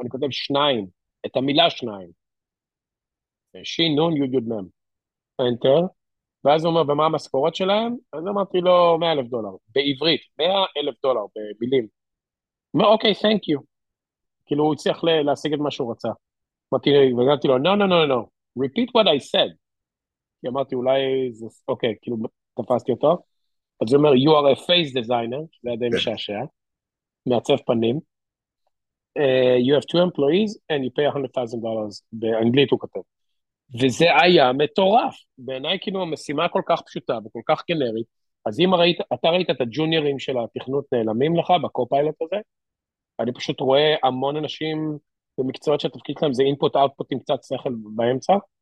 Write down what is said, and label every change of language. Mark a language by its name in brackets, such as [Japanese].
[Hebrew] אני כותב שניים, את המילה שניים. שי, נון, יוד, יוד, מם. אנטר. ואז הוא אומר, ומה המשכורות שלהם? אז אמרתי לו, 100 אלף דולר, בעברית, 100 אלף דולר, במילים. הוא אומר, אוקיי, [English] thank you. [Hebrew] כאילו הוא הצליח להשיג את מה שהוא רצה. ואמרתי לו, [English] no, no, no, no, repeat what I said. [Hebrew] כי אמרתי, אולי זה, אוקיי, כאילו תפסתי אותו. אז זה אומר, [English] you are a face designer, [Hebrew] זה עדיין משעשע, מעצב פנים. [English] You have two employees, and you pay $100,000, [Hebrew] באנגלית הוא כתב. וזה היה מטורף. בעיניי, כאילו, המשימה כל כך פשוטה, וכל כך גנרית. אז אם ראית, אתה ראית את הג'וניורים של התכנות נעלמים לך, בקופיילוט הזה, אני פשוט רואה המון אנשים, במקצועות שהתפקיד שלהם, זה input, output, עם קצת שכל באמצע.